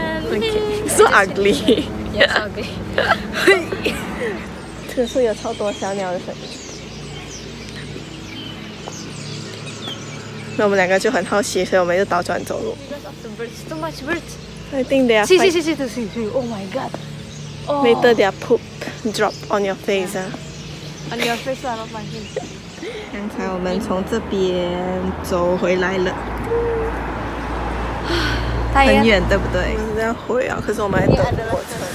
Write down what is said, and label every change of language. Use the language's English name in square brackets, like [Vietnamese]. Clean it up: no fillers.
[English] OK，so ugly。 Yes, okay. [Chinese] 是有超多小鸟的声音。那我们两个就很好奇，所以我们就倒转走路。 [English] Too much birds. I think they are. [Chinese] 是。 [English] Oh my god. Oh. Later they are poop drop on your face. On your face, not my face. [Chinese] 刚才我们从这边走回来了，很远，对不对？我们这样回啊，可是我们还等火车。